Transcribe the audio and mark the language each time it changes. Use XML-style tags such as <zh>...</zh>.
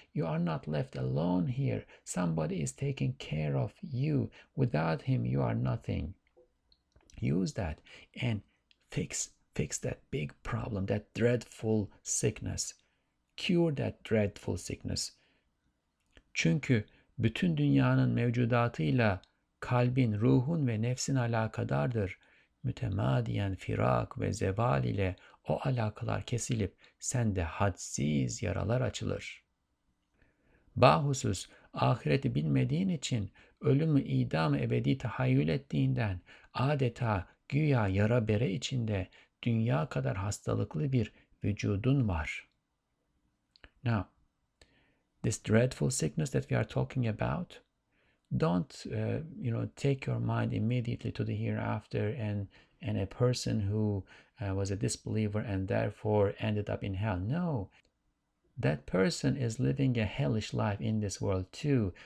<en>You are not left alone here. Somebody is taking care of you. Without him, you are nothing. Use that and fix that big problem, that dreadful sickness. Cure that dreadful sickness.</en> <tr>Çünkü bütün dünyanın mevcudatıyla kalbin, ruhun ve nefsin alakadardır. mütemadiyen firak ve zeval ile o alakalar kesilip sende hadsiz yaralar açılır. Bahusus ahireti bilmediğin için ölümü idam ebedi tahayyül ettiğinden adeta güya yara bere içinde dünya kadar hastalıklı bir vücudun var.</tr> <en>Now, this dreadful sickness that we are talking about, don't take your mind immediately to the hereafter and a person who was a disbeliever and therefore ended up in hell. No, that person is living a hellish life in this world too.</en>